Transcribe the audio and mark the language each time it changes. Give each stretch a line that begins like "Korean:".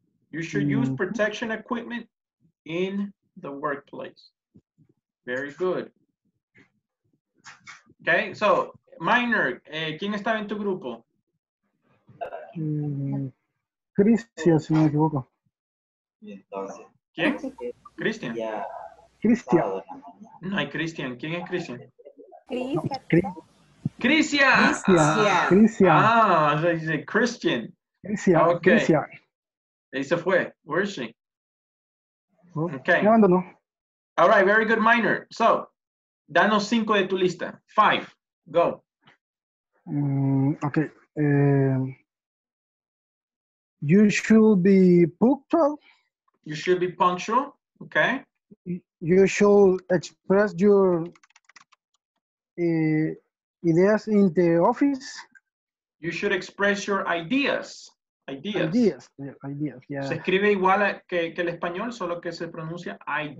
English: You should use protection equipment in the workplace. Very good.
Spanish: Okay, so Minor, ¿quién estaba en tu grupo? Cristian, si no me equivoco. ¿Quién? Cristian. Cristian. No hay Cristian. ¿Quién es Cristian? Cristian. Cristian. Cristian. Ah, se dice Cristian. Cristian. Ok. Christian. Ahí se fue.
English: Where is she?
Spanish: Okay. Me abandonó.
English: All right, very good, Minor. So,
Spanish: danos cinco de tu lista.
English: Five. Go. Ok. You should be punctual. You should be punctual. Okay. You should express your ideas in the office. You should express your ideas. Ideas. Ideas. Yeah, ideas. Yeah.
Spanish: Se escribe igual a que el español, solo que se pronuncia ideas.